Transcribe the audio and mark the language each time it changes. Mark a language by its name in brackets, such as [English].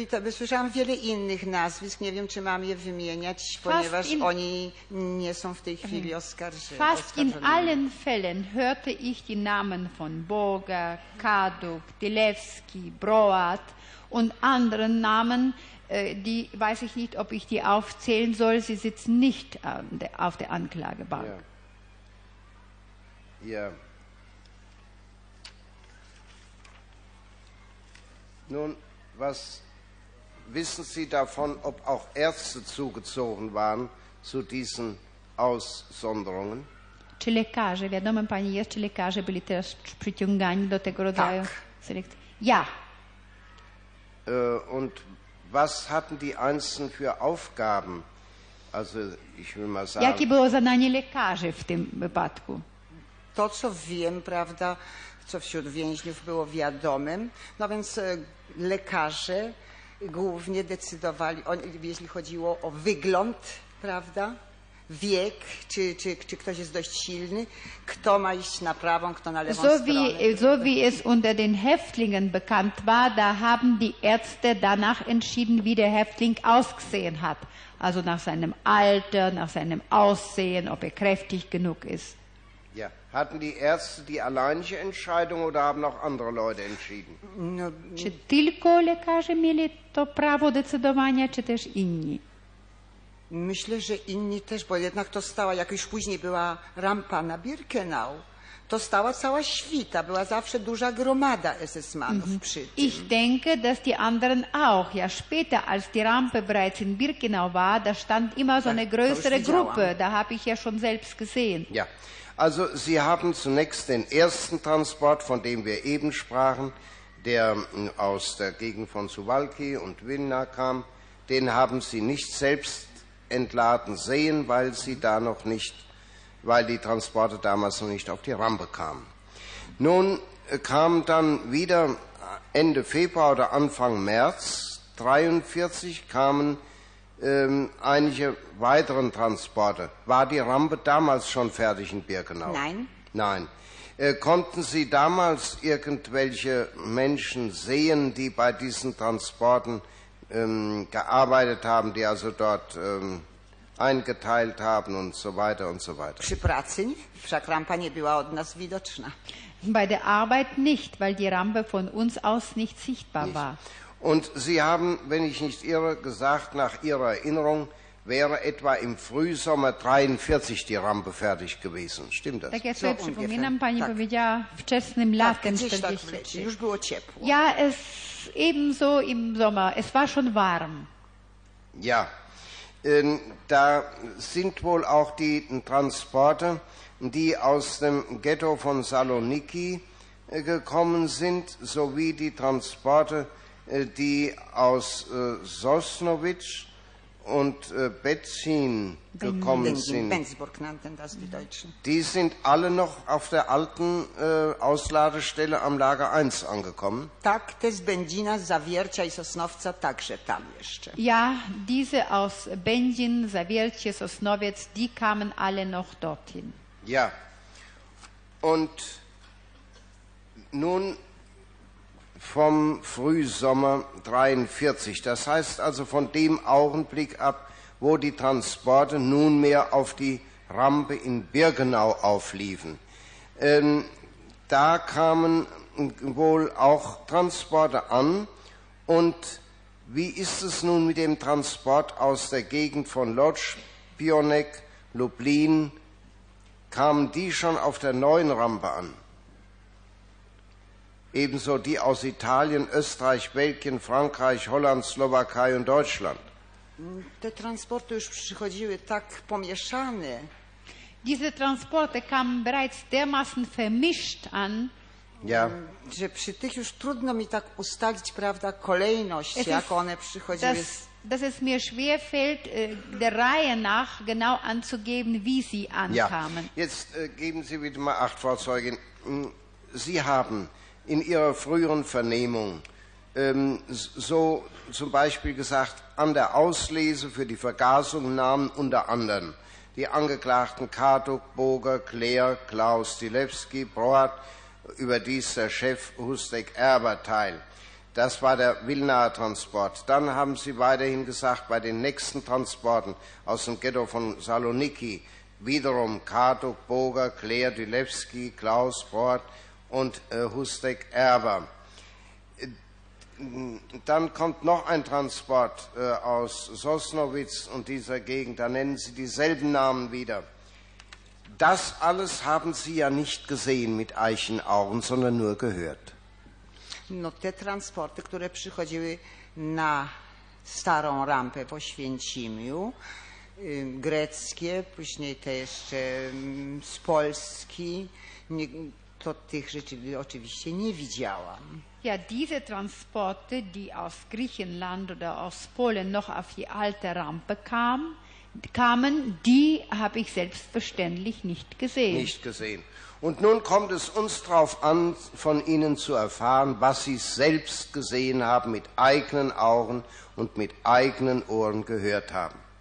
[Polish] Słyszałam wiele innych nazwisk, nie wiem, czy mam je wymieniać, ponieważ oni nie są w tej chwili oskarżeni. [German] Fast in allen Fällen hörte ich die Namen von Boga, Kaduk, Dylewski, Broat und anderen Namen, die weiß ich nicht, ob ich die aufzählen soll. Sie sitzen nicht auf der Anklagebank. Ja. Ja. Nun, was wissen Sie davon, ob auch Ärzte zugezogen waren zu diesen Aussonderungen? [Polish] Czy lekarze, wiadomo pani jest, czy lekarze byli teraz przyciągani do tego rodzaju selekcji? [German] Ja. Und was hatten die Einzelnen für Aufgaben? Also ich will mal sagen. [Polish] Jakie było zadanie lekarzy w tym wypadku? To co wiem, prawda, co wśród więźniów było wiadomym, no więc lekarze głównie decydowali, jeśli chodziło o wygląd, prawda? Wiek, czy ktoś jest dość silny, kto ma iść na prawą, kto na lewą stronę. [German] So wie es unter den Häftlingen bekannt war, da haben die Ärzte danach entschieden, wie der Häftling ausgesehen hat. Also nach seinem Alter, nach seinem Aussehen, ob er kräftig genug ist. Ja, hatten die Ärzte die alleinige Entscheidung oder haben auch andere Leute entschieden? No. [Polish] Czy tylko lekarze mieli to prawo decydowania, czy też inni? Myślę, że inni też, bo jednak to stała, jak już później była rampa na Birkenau, to stała cała świta, była zawsze duża gromada SS-manów przy tym. [German] Ich denke, dass die anderen auch, ja später, als die Rampe bereits in Birkenau war, da stand immer so eine größere Gruppe, da habe ich ja schon selbst gesehen. Ja, also Sie haben zunächst den ersten Transport, von dem wir eben sprachen, der aus der Gegend von Suwalki und Vilna kam, den haben Sie nicht selbst entladen sehen, weil sie da noch nicht, weil die Transporte damals noch nicht auf die Rampe kamen. Nun kam dann wieder Ende Februar oder Anfang März 1943 kamen einige weiteren Transporte. War die Rampe damals schon fertig in Birkenau? Nein. Nein. Konnten Sie damals irgendwelche Menschen sehen, die bei diesen Transporten gearbeitet haben, die also dort eingeteilt haben und so weiter und so weiter. [Polish] Przy pracy nie, wszak rampa nie była od nas widoczna. [German] Bei der Arbeit nicht, weil die Rampe von uns aus nicht sichtbar nicht. War. Und Sie haben, wenn ich nicht irre, gesagt, nach Ihrer Erinnerung wäre etwa im Frühsommer 1943 die Rampe fertig gewesen. Stimmt das? [Polish] Tak, ja sobie przypominam, pani powiedziała, wczesnym latem 1943. Już było ciepło. [German] Ja, es ebenso im Sommer. Es war schon warm. Ja, da sind wohl auch die Transporte, die aus dem Ghetto von Saloniki gekommen sind, sowie die Transporte, die aus Sosnovic und Betzin gekommen sind. Benzburg nannten das die Deutschen. Die sind alle noch auf der alten Ausladestelle am Lager 1 angekommen. [Polish] Tak, te z Benzina, Zawiercia i Sosnowca także tam jeszcze. [German] Ja, diese aus Benzin, Zawiercie, Sosnowiec, die kamen alle noch dorthin. Ja. Und nun vom Frühsommer 1943. Das heißt also von dem Augenblick ab, wo die Transporte nunmehr auf die Rampe in Birkenau aufliefen. Da kamen wohl auch Transporte an. Und wie ist es nun mit dem Transport aus der Gegend von Lodz, Pionek, Lublin? Kamen die schon auf der neuen Rampe an? Ebenso die aus Italien, Österreich, Belgien, Frankreich, Holland, Slowakei und Deutschland. [Polish] Te transporty już przychodziły tak pomieszane. [German] Diese Transporte kamen bereits dermaßen vermischt an. Ja. [Polish] Że przy tych już trudno mi tak ustalić, prawda, kolejność, es jak ist, one przychodziły. [German] Dass es mir schwer fällt, der Reihe nach genau anzugeben, wie sie ankamen. Ja. Jetzt geben Sie bitte mal acht, Frau Zeugin. Sie haben in Ihrer früheren Vernehmung so zum Beispiel gesagt, an der Auslese für die Vergasung nahmen unter anderem die Angeklagten Kartuk, Boger, Kler, Klaus, Dilewski, Broad, überdies der Chef Hustek Erber teil. Das war der Wilnaer Transport. Dann haben Sie weiterhin gesagt, bei den nächsten Transporten aus dem Ghetto von Saloniki wiederum Kartuk, Boger, Kler, Dilewski, Klaus, Broad und Hustek Erber. Dann kommt noch ein Transport aus Sosnowitz und dieser Gegend. Da nennen Sie dieselben Namen wieder. Das alles haben Sie ja nicht gesehen mit eigenen Augen, sondern nur gehört. [Polish] No, te transporty, które przychodziły na starą rampę w Oświęcimiu, greckie, później te jeszcze z Polski, nie, to tych rzeczy oczywiście nie widziałam. [German] Ja, diese Transporte, die aus Griechenland oder aus Polen noch auf die alte Rampe kamen, die habe ich selbstverständlich nicht gesehen. Nicht gesehen. Und nun kommt es uns darauf an, von Ihnen zu erfahren, was Sie selbst gesehen haben, mit eigenen Augen und mit eigenen Ohren gehört haben.